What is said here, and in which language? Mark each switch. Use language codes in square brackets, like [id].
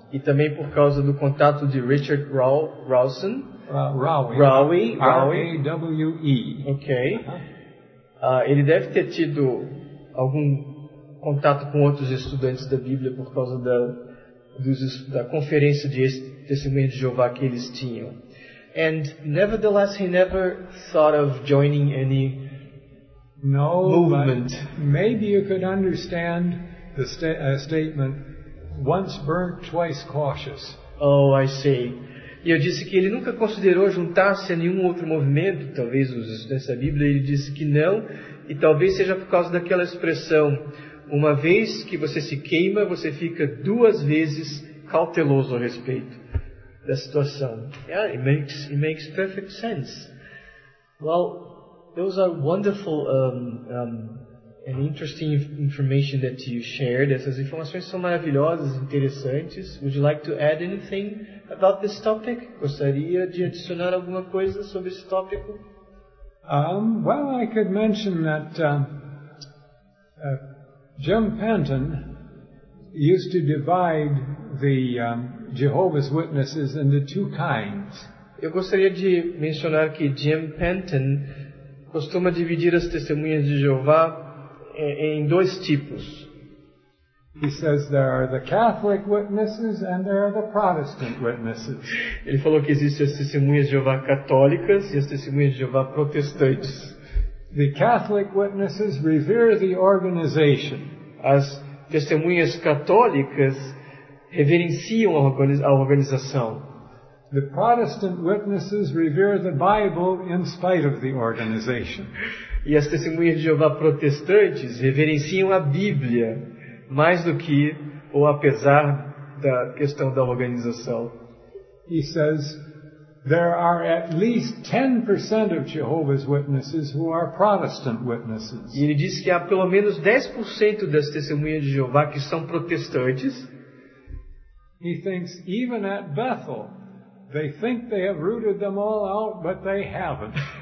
[pt] E também por causa do contato de Richard Rawson. Rowe. R-A-W-E. Ok. Ele deve ter tido algum contato com outros estudantes da Bíblia por causa da conferência de Testemunho de Jeová que eles tinham. [en] And nevertheless, he never thought of joining any movement. But maybe you could understand the statement, once burnt, twice cautious. Oh, I see. [pt] E eu disse que ele nunca considerou juntar-se a nenhum outro movimento, talvez os estudantes da Bíblia, ele disse que não, e talvez seja por causa daquela expressão, uma vez que você se queima, você fica duas vezes cauteloso a respeito da situação. [en] Yeah, it makes perfect sense. Well, those are wonderful and interesting information that you shared. [pt] Essas informações são maravilhosas, interessantes. [en] Would you like to add anything about this topic? [pt] Gostaria de adicionar alguma coisa sobre esse tópico? [en] Well, I could mention that Jim Penton used to divide the Jehovah's Witnesses into two kinds. [pt] Eu gostaria de mencionar que Jim Penton costuma dividir as testemunhas de Jeová em dois tipos. [en] He says there are the Catholic Witnesses and there are the Protestant Witnesses. [pt] Ele falou que existem as testemunhas de Jeová católicas e as testemunhas de Jeová protestantes. [en] The Catholic Witnesses revere the organization. [pt] As testemunhas católicas reverenciam a organização. [en] The Protestant Witnesses revere the Bible in spite of the organization. [pt] E as testemunhas de Jeová protestantes reverenciam a Bíblia mais do que ou apesar da questão da organização. [en] He says there are at least 10% of Jehovah's Witnesses who are Protestant Witnesses. [pt] E ele diz que há pelo menos 10% das testemunhas de Jeová que são protestantes. [en] He thinks even at Bethel they think they have rooted them all out, but they haven't.